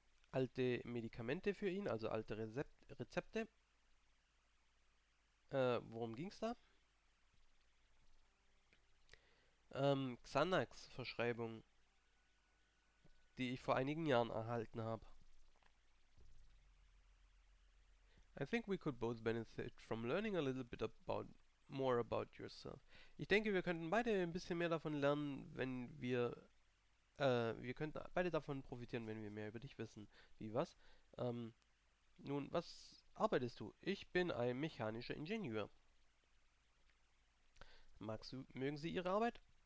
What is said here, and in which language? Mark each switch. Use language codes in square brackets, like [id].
[de] Alte Medikamente für ihn, also alte Rezepte. Worum ging's da? Xanax-Verschreibung, die ich vor einigen Jahren erhalten habe. [en] I think we could both benefit from learning a little bit about more about yourself. [de] Ich denke, wir könnten beide ein bisschen mehr davon lernen, wenn wir könnten beide davon profitieren, wenn wir mehr über dich wissen. Wie was? Nun, was arbeitest du? Ich bin ein mechanischer Ingenieur. Magst du, mögen Sie Ihre Arbeit?